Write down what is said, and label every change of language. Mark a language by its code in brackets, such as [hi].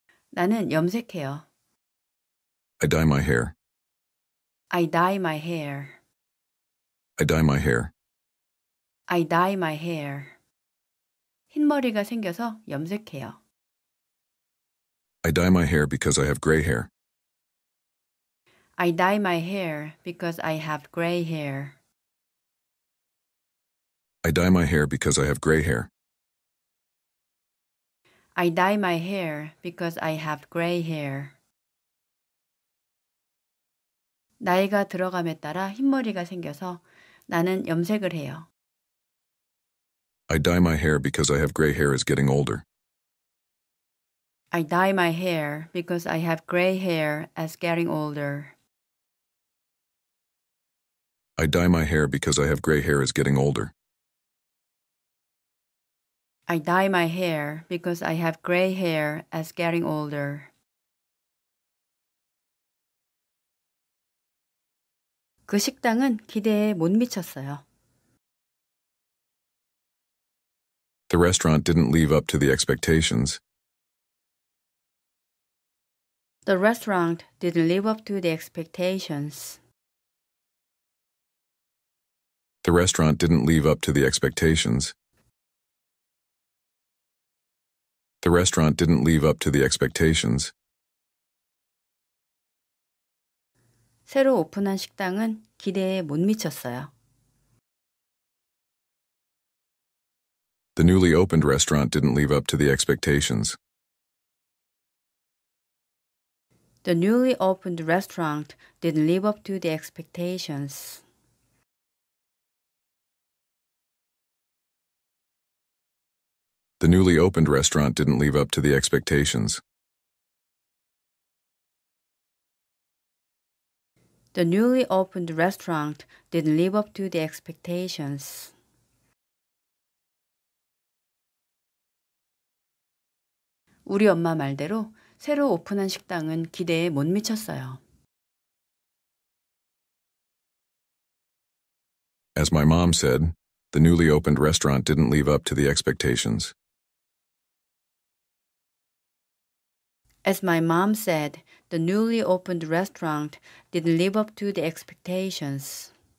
[ko] 나는 염색해요. [en] I dye my hair. I dye my hair. I dye my hair. I dye my hair. [ko] 흰 머리가 생겨서 염색해요. [en] I dye my hair because I have gray hair. I dye my hair because I have gray hair. I dye my hair because I have gray hair. I dye my hair because I have gray hair. [ko] 나이가 들어감에 따라 흰머리가 생겨서 나는 염색을 해요. [en] I dye my hair because I have gray hair is getting older. I dye my hair because I have gray hair as getting older. I dye my hair because I have gray hair is getting older. I dye my hair because I have gray hair as getting older. [ko] 그 식당은 기대에 못 미쳤어요. [en] The restaurant didn't live up to the expectations. The restaurant didn't live up to the expectations. The restaurant didn't live up to the expectations. The restaurant didn't live up to the expectations. [ko] 새로 오픈한 식당은 기대에 못 미쳤어요. [en] The newly opened restaurant didn't live up to the expectations. The newly opened restaurant didn't live up to the expectations. The newly opened restaurant didn't live up to the expectations. The newly opened restaurant didn't live up to the expectations. [ko] 우리 엄마 말대로 새로 오픈한 식당은 기대에 못 미쳤어요. [en] As my mom said, the newly opened restaurant didn't live up to the expectations. As my mom said, the newly opened restaurant didn't live up to the expectations.